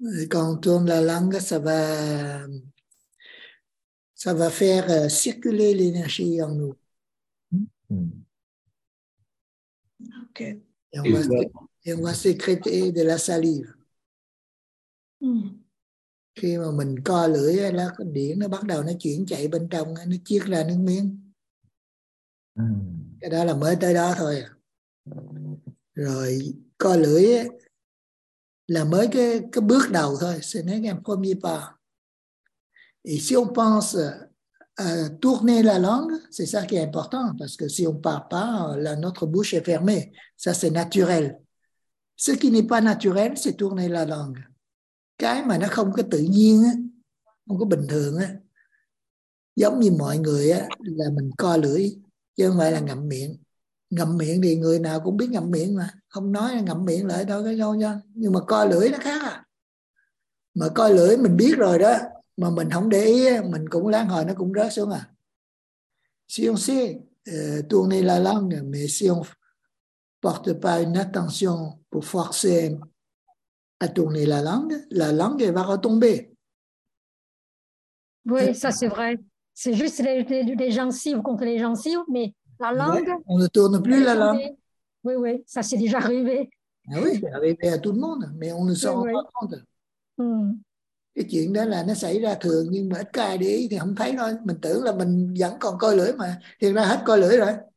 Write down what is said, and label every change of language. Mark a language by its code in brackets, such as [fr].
[fr] Quand on tourne la langue, ça va faire circuler l'énergie en nous. OK. Et on va sécréter de la salive. [vi] Khi mà mình co lưỡi, là điện nó bắt đầu nó chuyển chạy bên trong, nó chiết ra nước miếng. Cái đó là mới tới đó thôi. Rồi co lưỡi là mới cái bước đầu thôi. [fr] C'est un premier pas. Et si on pense à tourner la langue, c'est ça qui est important, parce que si on parle pas, notre bouche est fermée. Ça, c'est naturel. Ce qui n'est pas naturel, c'est tourner la langue. [vi] Cái mà nó không có tự nhiên, không có bình thường, giống như mọi người là mình co lưỡi, chứ không phải là ngậm miệng. Ngậm miệng thì người nào cũng biết ngậm miệng mà. Không nói là ngậm miệng lại đâu, cái đâu nha. Nhưng mà co lưỡi nó khác à. Mà co lưỡi mình biết rồi đó, mà mình không để ý, mình cũng lát hồi nó cũng rớt xuống à. [fr] Si on sait tourner la langue, mais si on porte pas une attention pour forcer à tourner la langue elle va retomber. Oui, ça c'est vrai. C'est juste les gencives contre les gencives, mais la langue... Ouais, on ne tourne plus la langue. Oui, oui, ça c'est déjà arrivé. Ah oui, c'est arrivé à tout le monde, mais on ne s'en rend pas compte. [vi] Cái chuyện đó là nó xảy ra thường, nhưng mà ít có ai để ý thì không thấy thôi. Mình tưởng là mình vẫn còn coi lưỡi mà. Thiệt ra hết coi lưỡi rồi.